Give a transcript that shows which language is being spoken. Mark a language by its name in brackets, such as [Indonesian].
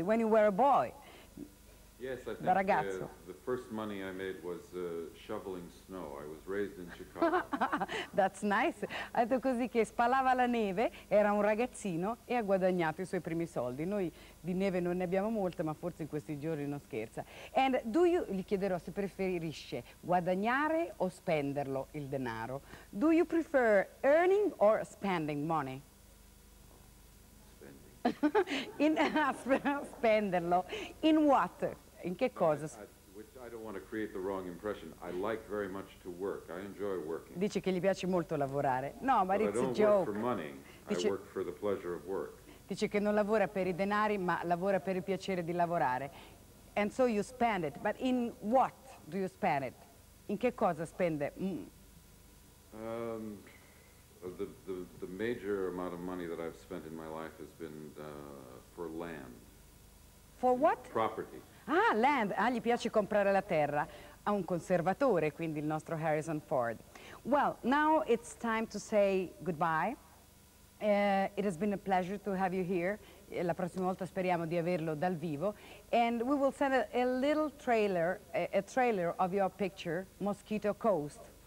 [English] When you were a boy, yes, I [Italian] da ragazzo. [English] The first money I made was shoveling snow. I was raised in Chicago. That's nice. [Italian] Ha detto così che spalava la neve, era un ragazzino e ha guadagnato i suoi primi soldi. Noi di neve non ne abbiamo molte, ma forse in questi giorni non scherza. [English] And do you, [Italian] gli chiederò se preferisce guadagnare o spenderlo il denaro. [English] Do you prefer earning or spending money? [Italian] spenderlo [English] in what? [Italian] In che cosa? [English] I don't want to create the wrong impression. I like very much to work. I enjoy working. [Italian] Dice che gli piace molto lavorare. No, ma [English] but it's I don't a joke. Work for money. [Italian] Dice, [English] I work for the pleasure of work. [Italian] Dice che non lavora per i denari, ma lavora per il piacere di lavorare. [English] And so you spend it. But in what do you spend it? [Italian] In che cosa spende? [English] The major amount of money that I've spent in my life has been for land. For what? Property. [Italian] Ah, land. Ah, gli piace comprare la terra. Ha un conservatore, quindi il nostro Harrison Ford. [English] Well, now it's time to say goodbye. It has been a pleasure to have you here. [Italian] La prossima volta speriamo di averlo dal vivo. [English] And we will send a little trailer, a trailer of your picture, Mosquito Coast.